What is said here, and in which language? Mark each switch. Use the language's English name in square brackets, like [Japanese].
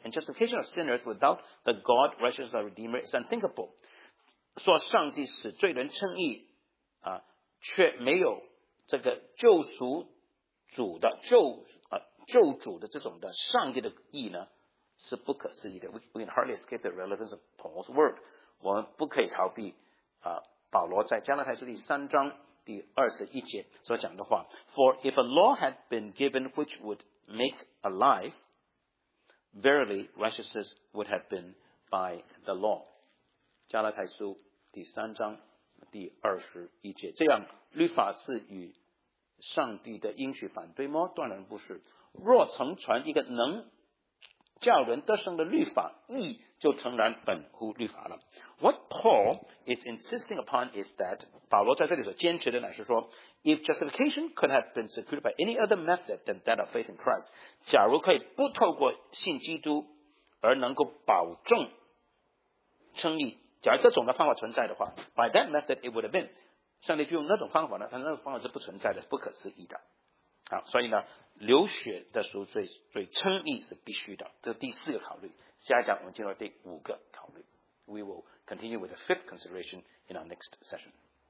[English] And justification of sinners without the God righteousness of Redeemer is unthinkable， [Chinese] 说上帝使罪人称义、却没有这个救赎主的救主的这种的上帝的义呢，是不可思议的。 [English] We can hardly escape the relevance of Paul's word， [Chinese] 我们不可以逃避、保罗在加拉太书第三章第二十一节所讲的话。 [English] For if a law had been given which would make alive， verily righteousness would have been by the law， [Chinese] 加拉太书第三章第二十一节，这样律法是与上帝的应许反对吗？断然不是。若曾传一个能叫人得胜的律法，义就诚然本乎律法了。 [English] What Paul is insisting upon is that, [Chinese] 保罗在这里所坚持的乃是说， [English] if justification could have been secured by any other method than that of faith in Christ, [Chinese] 假如可以不透过信基督而能够保证称义，假如这种的方法存在的话， [English] by that method it would have been, [Chinese] 上帝就用那种方法呢，但那种方法是不存在的，不可思议的。好，所以呢，流血的赎罪，所以称义是必须的。这是第四个考虑。下一讲我们进入第五个考虑。 [English] We will continue with the fifth consideration in our next session.